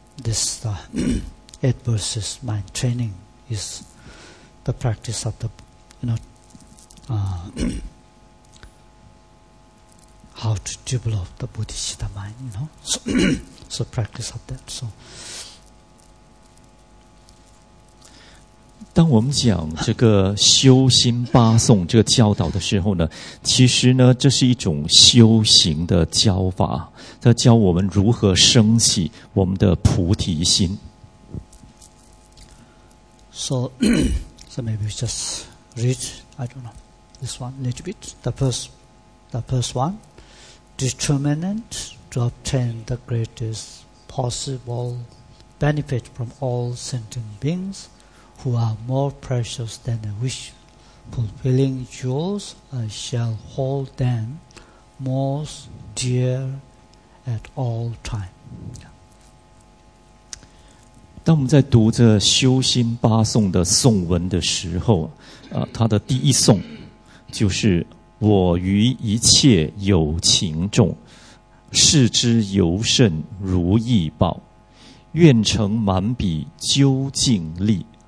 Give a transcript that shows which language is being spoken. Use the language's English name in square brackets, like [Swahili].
[English] So, 8 verses, my training is the practice of the, you know, how to develop the bodhicitta mind, you know, so practice of that, so. [Chinese] 当我们讲这个修心八颂这个教导的时候呢，其实呢，这是一种修行的教法，它教我们如何升起我们的菩提心。 [English] So maybe we just read, I don't know, this one a little bit. The first one, determinant to obtain the greatest possible benefit from all sentient beings. Who are more precious than a wish, fulfilling jewels, I shall hold them most dear at all time. [Chinese] 当我们在读这修心八颂的颂文的时候，它的第一颂就是我于一切有情众，视之尤甚如意宝，愿成满彼究竟力。